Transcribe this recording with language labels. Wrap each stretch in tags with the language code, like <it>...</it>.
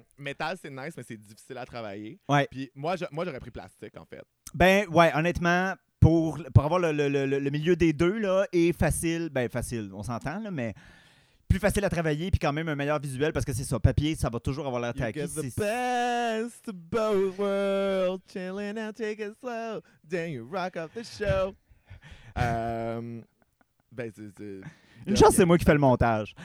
<fr>Métal, c'est nice, mais c'est difficile à travailler. Ouais. Puis moi, j'aurais pris plastique, en fait. Ben, ouais, honnêtement, pour avoir le milieu des deux, là, est facile. Ben, facile, on s'entend, là, mais plus facile à travailler, puis quand même un meilleur visuel, parce que c'est ça, papier, ça va toujours avoir l'air tacky.</fr> <en>You get the best of both worlds, chilling out, take it slow, then you rock up the show.</en> <fr>Ben, c'est une chance, c'est moi qui fais le montage.</fr>